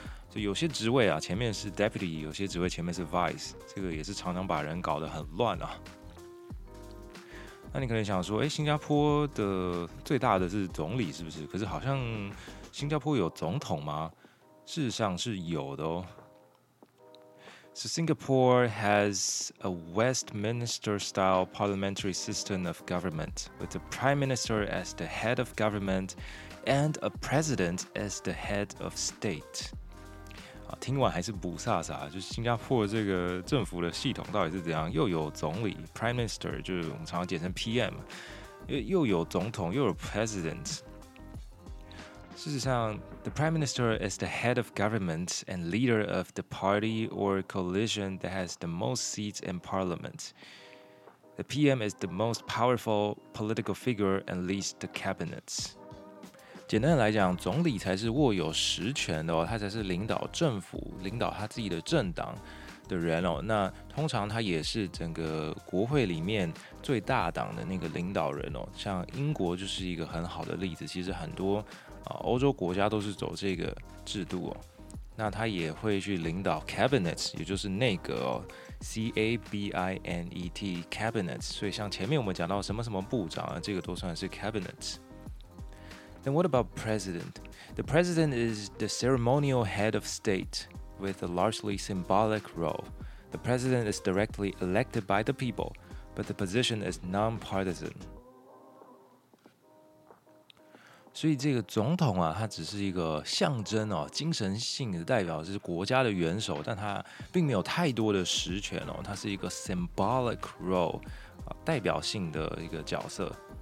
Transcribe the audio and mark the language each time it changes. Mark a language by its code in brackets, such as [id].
[zh] 所以有些职位啊，前面是 Deputy， 有些职位前面是 Vice， 这个也是常常把人搞得很乱啊。那你可能想说，新加坡的最大的是总理是不是？可是好像新加坡有总统吗？事实上是有的哦。 [en] So Singapore has a Westminster-style parliamentary system of government, with the prime minister as the head of government and a president as the head of state. [zh] 听完还是不飒飒，就是新加坡这个政府的系统到底是怎样？又有总理 Prime Minister， 就是我们常常简称 PM， 又有总统，又有 President。事实上 [en] ，the Prime Minister is the head of government and leader of the party or coalition that has the most seats in Parliament. The PM is the most powerful political figure and leads the cabinet. [zh] 简单的来讲，总理才是握有实权的，他才是领导政府、领导他自己的政党的人哦。那通常他也是整个国会里面最大党的那个领导人哦。像英国就是一个很好的例子，其实很多欧洲国家都是走这个制度哦。那他也会去领导 cabinet， 也就是内阁哦 ，cabinet cabinet。所以像前面我们讲到什么什么部长啊，这个都算是 cabinet。 [en] Then what about president? The president is the ceremonial head of state with a largely symbolic role. The president is directly elected by the people, but the position is non-partisan. [zh] 所以这个总统啊，他只是一个象征哦，精神性的代表，是国家的元首，但他并没有太多的实权哦，他是一个 [en] symbolic role， [zh] 代表性的一个角色。